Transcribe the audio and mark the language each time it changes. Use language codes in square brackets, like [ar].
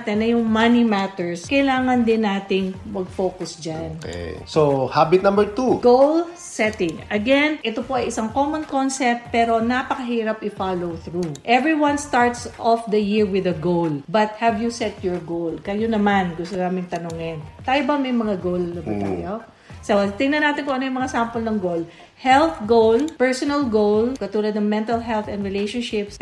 [tl] natin na yung money matters, kailangan din nating mag-focus dyan. [en] Okay. So, habit number 2. Goal setting. Again, [tl] ito po ay isang common concept pero napakahirap i-follow through. [en] Everyone starts off the year with a goal. But have you set your goal? [tl] Kayo naman, gusto namin tanungin. Tayo ba may mga goal na ba tayo? So, tingnan natin kung ano yung mga sample ng goal. [en] Health goal, personal goal, [tl] katulad ng [en] mental health and relationships.